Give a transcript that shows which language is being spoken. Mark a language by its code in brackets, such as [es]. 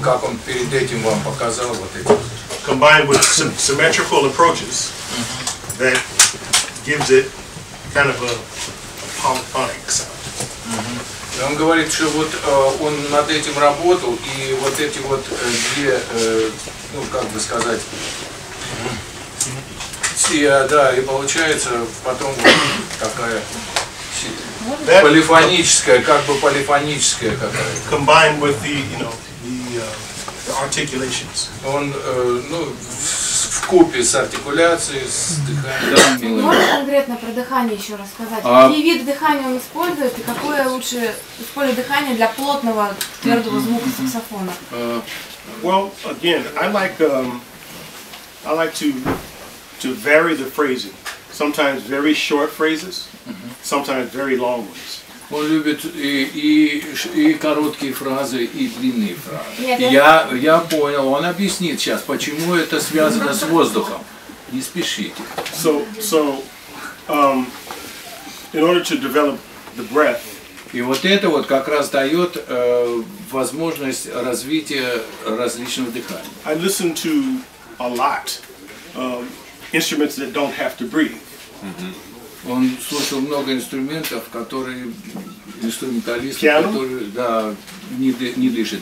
[en] Combined with some symmetrical approaches that gives it kind of a polyphonic sound. [ru] Он говорит, что вот он над этим работал, и вот эти вот две, ну как бы сказать, да, и получается потом такая полифоническая, как бы полифоническая какая-то. [en] Combined with the, you know, the articulations. [ru] Он, ну, в купе с артикуляцией, с дыханием. Можешь конкретно про дыхание еще рассказать? Какие виды дыхания он использует и какое лучше использовать дыхание для плотного твердого звука саксофона? [en] Well, again, I like to vary the phrasing. Sometimes very short phrases, sometimes very long ones. [ru] Он любит и короткие фразы, и длинные фразы. Я понял, он объяснит сейчас, почему это связано с воздухом. Не спешите. [en] So, in order to develop the breath. [ru] И вот это вот как раз дает возможность развития различного дыхания. [en] I listen to a lot instruments that don't have to breathe. [ru] Он слушал много инструментов, которые инструменталисты, которые да, не дышит.